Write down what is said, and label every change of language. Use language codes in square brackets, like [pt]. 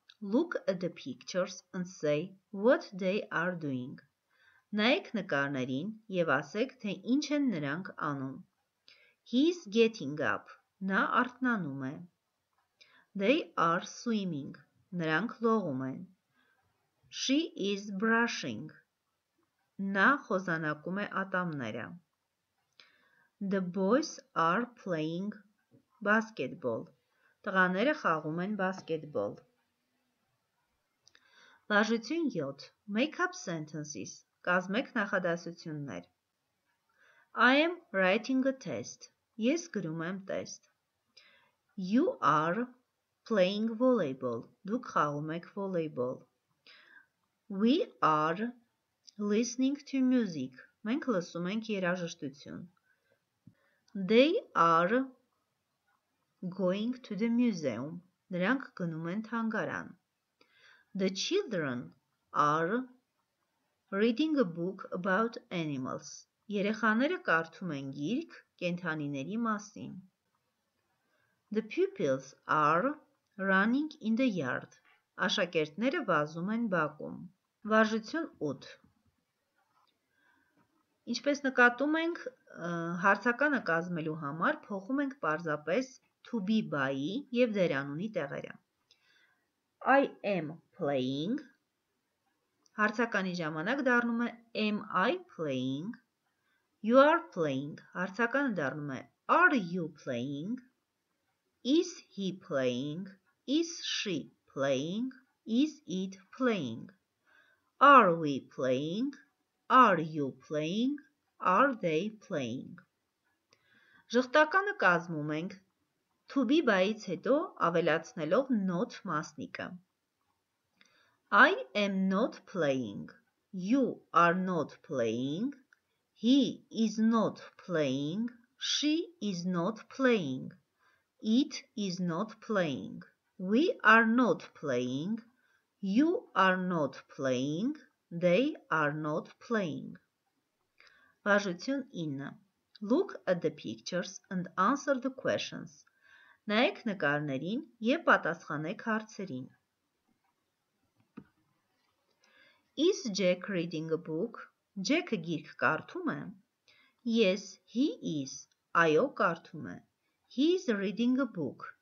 [en] Look at the pictures and say what they are doing. [hy] Նայեք նկարներին և ասեք, թե ինչ են նրանք անում. [en] He is getting up. [hy] Նա արթնանում է. [en] They are swimming. [hy] Նրանք լողում են. [en] She is brushing. [hy] Նա խոզանակում է ատամները. [en] The boys are playing basketball. [hy] Տղաները խաղում են բասկետբոլ. Վարժություն 7. [en] Make up sentences. [hy] Կազմեք նախադասություններ. [en] I am writing a test. [hy] Ես գրում եմ տեստ. [en] You are playing volleyball. [hy] Դուք խաղում եք [en] volleyball. We are listening to music. [hy] Մենք լսում ենք երաժշտություն. [en] They are going to the museum. [hy] Նրանք գնում են թանգարան. [en] The children are reading a book about animals. [hy] Երեխաները կարդում են գիրք կենդանիների մասին. [en] The pupils are running in the yard. [hy] Աշակերտները վազում են բակում. Վարժություն 8. Ինչպես նկատում ենք, հարցականը կազմելու համար փոխում ենք պարզապես [en] to be [hy] by-ի և դերանունի տեղերը. [en] I am playing. [hy] Հարցականի ժամանակ դառնում է [en] am I playing? You are playing. [hy] Հարցականը դառնում է [en] are you playing? Is he playing? Is she playing? Is it playing? Are we playing? Are you playing? Are they playing? [hy] Ժխտականը կազմում ենք [en] to be [hy] by-ից հետո ավելացնելով not մասնիկը. [en] I am not playing. You are not playing. He is not playing. She is not playing. It is not playing. We are not playing. You are not playing. They are not playing. [hy] Важություն Իննը. [en] Look at the pictures and answer the questions. [hy] Նայեք նկարներին և պատասխանեք հարցերին. [en] Is Jack reading a book? [hy] Jack-ը գիրք կարդում է? [en] Yes, he is. [hy] Այո, կարդում է. [en] He is reading a book.